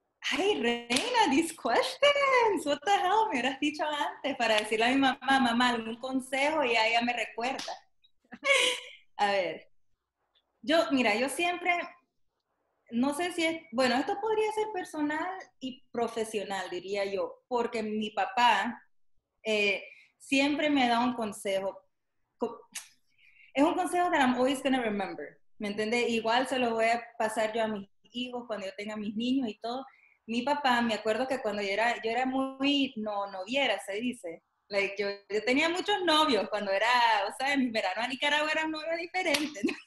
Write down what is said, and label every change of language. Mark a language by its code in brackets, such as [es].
[en] Ay, Reina, these questions. What the hell? [es] Me hubieras dicho antes para decirle a mi mamá, mamá, algún consejo y ella me recuerda. A ver. Yo, mira, yo siempre, no sé si es, bueno, esto podría ser personal y profesional, diría yo, porque mi papá siempre me da un consejo. Es un consejo [en] that I'm always going to remember. [es] ¿Me entiendes? Igual se lo voy a pasar yo a mis hijos cuando yo tenga mis niños y todo. Mi papá, me acuerdo que cuando yo era muy noviera, se dice. Like, yo tenía muchos novios cuando era, o sea, en mi verano a Nicaragua era un novio diferente.